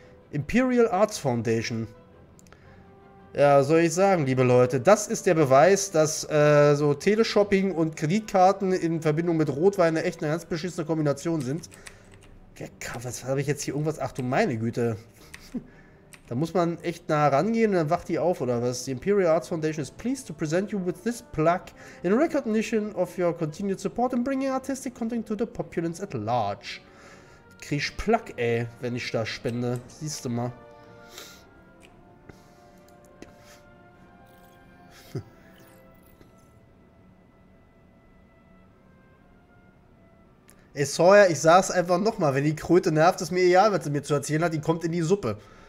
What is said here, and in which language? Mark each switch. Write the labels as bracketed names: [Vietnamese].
[German] Imperial Arts Foundation. Ja, soll ich sagen, liebe Leute, das ist der Beweis, dass so Teleshopping und Kreditkarten in Verbindung mit Rotwein echt eine ganz beschissene Kombination sind. Was habe ich jetzt hier irgendwas? Ach du meine Güte. Da muss man echt nah rangehen und dann wacht die auf, oder was? [English] Die Imperial Arts Foundation is pleased to present you with this plaque in recognition of your continued support in bringing artistic content to the populace at large. [German] Krieg ich Plaque, ey, wenn ich da spende. Siehst du mal. Ey, Sawyer, ich sag's einfach nochmal, wenn die Kröte nervt, ist mir egal, was sie mir zu erzählen hat, die kommt in die Suppe.